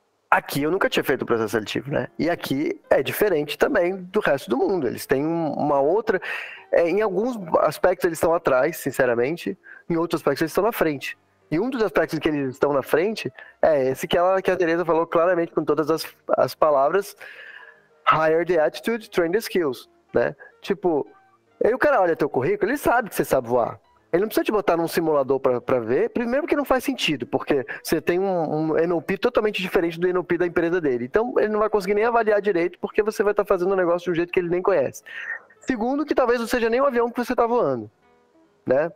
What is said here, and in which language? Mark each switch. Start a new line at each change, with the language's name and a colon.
Portuguese: aqui eu nunca tinha feito o processo seletivo, né? E aqui é diferente também do resto do mundo. Eles têm uma outra... É, em alguns aspectos eles estão atrás, sinceramente. Em outros aspectos eles estão na frente. E um dos aspectos que eles estão na frente é esse que, ela, que a Tereza falou claramente com todas as palavras.
English: Hire the attitude, train the skills, né?
Portuguese: Tipo, aí o cara olha teu currículo, ele sabe que você sabe voar. Ele não precisa te botar num simulador pra ver. Primeiro que não faz sentido, porque você tem um NLP totalmente diferente do NLP da empresa dele. Então ele não vai conseguir nem avaliar direito, porque você vai estar fazendo o negócio de um jeito que ele nem conhece. Segundo que talvez não seja nem o avião que você está voando. Né?